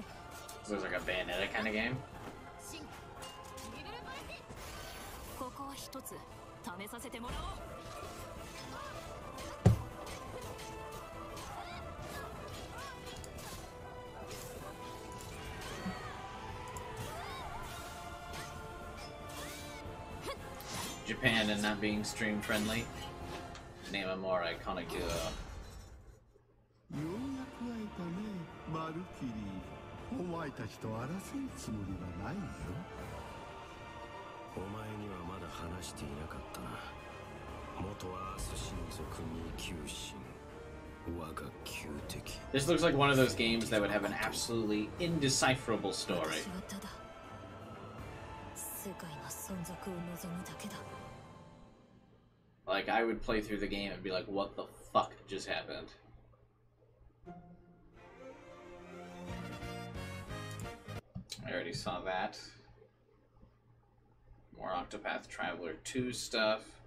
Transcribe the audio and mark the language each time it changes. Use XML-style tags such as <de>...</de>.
<en>This is like a Bayonetta kind of game.</en> <ja>新リベルパーティ。ここは一つ試させてもらおう。</ja> <en>Japan and not being stream friendly. Name a more iconic duo.</en> <ja>ようやく会えたね、マルキリー。お前たちと争うつもりはないよ。お前にはまだ話していなかったな。元はアース神族二級神。我が旧敵。</ja> <en>This looks like one of those games that would have an absolutely indecipherable story.</en> <ja>私はただ、世界の存続を望むだけだ。</ja> <en>Like, I would play through the game and be like, what the fuck just happened? I already saw that. More Octopath Traveler 2 stuff.</en>